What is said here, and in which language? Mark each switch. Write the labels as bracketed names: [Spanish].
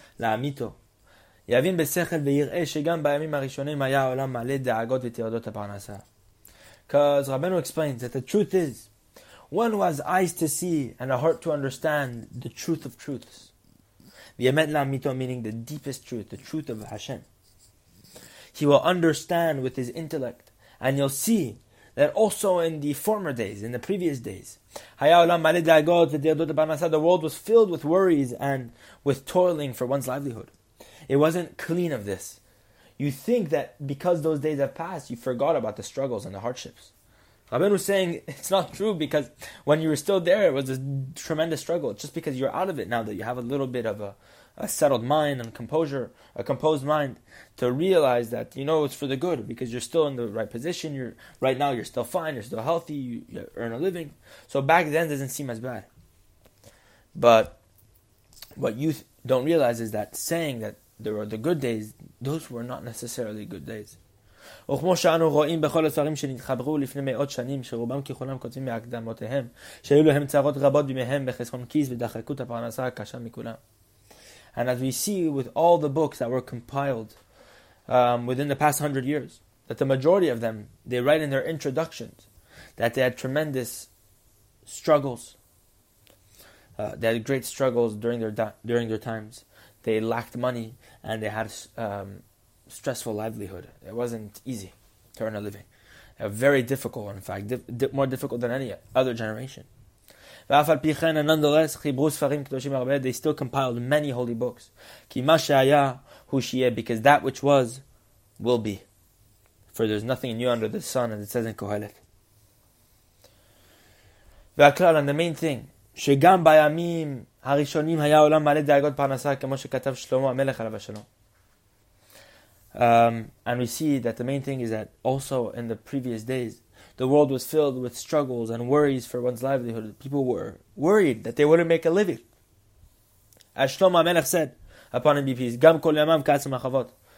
[Hebrew] לאמיתו, יבין בשכל ויראה שגם בימים הראשונים היה העולם מלא דאגות ותרדות הפרנסה. [English] Because Rabbeinu explains that the truth is, one who has eyes to see and a heart to understand the truth of truths. [Hebrew] ויאמת לאמיתו, [English] meaning the deepest truth, the truth of Hashem. He will understand with his intellect, and you'll see that also in the former days, in the previous days, the world was filled with worries and with toiling for one's livelihood. It wasn't clean of this. You think that because those days have passed, you forgot about the struggles and the hardships. Rabbeinu is saying it's not true because when you were still there, it was a tremendous struggle. Just because you're out of it now that you have a little bit of a settled mind and composure, a composed mind, to realize that, you know, it's for the good because you're still in the right position. You're right now, you're still fine, you're still healthy, you earn a living. So back then doesn't seem as bad. But what you don't realize is that saying that there were the good days, those were not necessarily good days. [Hebrew] וכמו שאנו רואים בכל הספרים שנתחברו לפני מאות שנים שרובם ככולם כותבים מהקדמותיהם שהיו להם צרות רבות בימיהם בחסכון כיס ודחקות הפרנסה הקשה מכולם. [English] And as we see with all the books that were compiled within the past 100 years, that the majority of them, they write in their introductions that they had tremendous struggles. They had great struggles during their times. They lacked money and they had stressful livelihood. It wasn't easy to earn a living. Very difficult, in fact, more difficult than any other generation. [Hebrew] ואף על פי כן, [English] and nonetheless, [Hebrew] חיברו ספרים קדושים הרבה, [English] they still compiled many holy books. [Hebrew] כי מה שהיה הוא שיהיה, [English] because that which was, will be. For there's nothing new under the sun, as it says in Kohelet. [Hebrew] והכלל, [English] and the main thing, [Hebrew] שגם בימים הראשונים היה עולם מלא דאגות פרנסה, כמו שכתב שלמה המלך עליו השלום. [English] And we see that the main thing is that also in the previous days, the world was filled with struggles and worries for one's livelihood. People were worried that they wouldn't make a living. As Shlomo HaMelech said upon him be peace, "Gam kol yamam ka'asim hachavot."